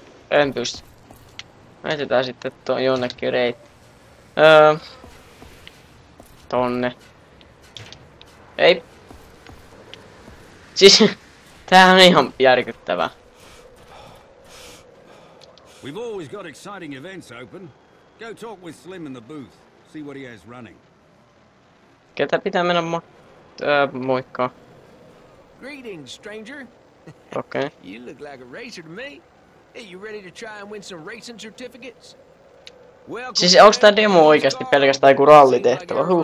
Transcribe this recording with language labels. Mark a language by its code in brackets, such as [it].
[fi] En pysty. Mietitään sitten tuon jonnekin reitti. Tonne. Ei. Siis... Tämähän on ihan järkyttävää. [en] We've always got exciting events open. Go talk with Slim in the booth. See what he has running. [fi] Ketä pitää mennä moikkaa. [en] Greetings, stranger. Okay. You look like a racer to me. Hey, you ready to try and win some racing certificates? [fi] Siis onks tää demo oikeesti pelkästään joku rallitehtävä?